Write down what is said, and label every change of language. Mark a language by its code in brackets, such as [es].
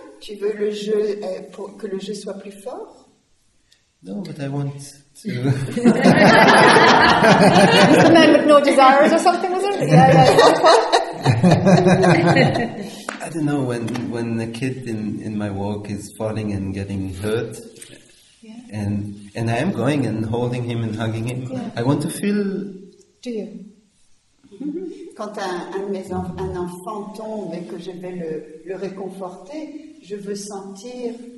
[fr] Tu veux le jeu pour que le jeu soit plus fort? [en] No, but I want to. The man with no desires or something, was it? Yeah. I don't know when a kid in my walk is falling and getting hurt, and I am going and holding him and hugging him. Yeah. I want to feel. Do you? [fr] Quand un enfant tombe et que je vais le réconforter, je veux sentir.